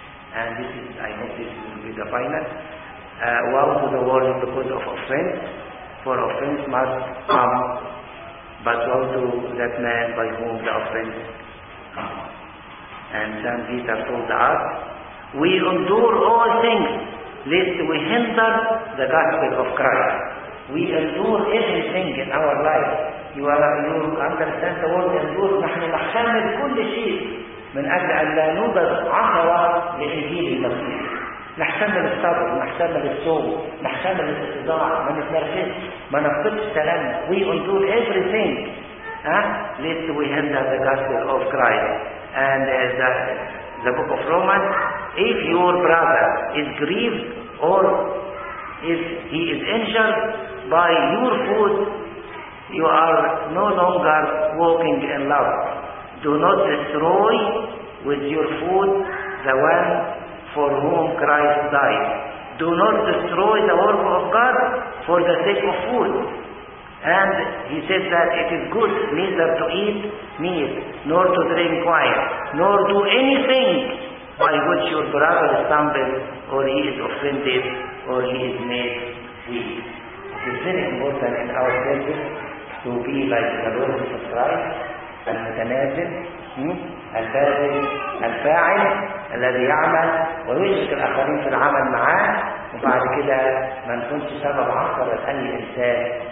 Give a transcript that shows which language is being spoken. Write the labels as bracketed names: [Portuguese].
[English] And this is, I hope this will be the final. Woe to the world because of offense, for offense must come, but woe to that man by whom the offense comes. And then Peter told us, we endure all things lest we hinder the gospel of Christ. We endure everything in our life. You are you understand the word endure. [Arabic] نحن نحمل كل شيء من أجل أن لا نبذ عهوة لإنجيل المسيح. نحتمل الصبر، نحتمل الصوم، نحتمل الاستدارة، ما نتنرفز، ما نفقدش سلام. [English] We endure everything. Lest we hinder the gospel of Christ. And as the book of Romans, if your brother is grieved or if he is injured by your food, you are no longer walking in love. Do not destroy with your food the one for whom Christ died. Do not destroy the work of God for the sake of food. And he said that it is good neither to eat meat, nor to drink wine, nor do anything by which your brother stumbles, or he is offended, or he is made weak. It is very important in our service to be like the Lord Jesus Christ, [Arabic] المتنازل الفاعل الفاعل الذي يعمل ويشرك الاخرين في العمل معاه، وبعد كده ما نكونش سبب عثرة لاي انسان.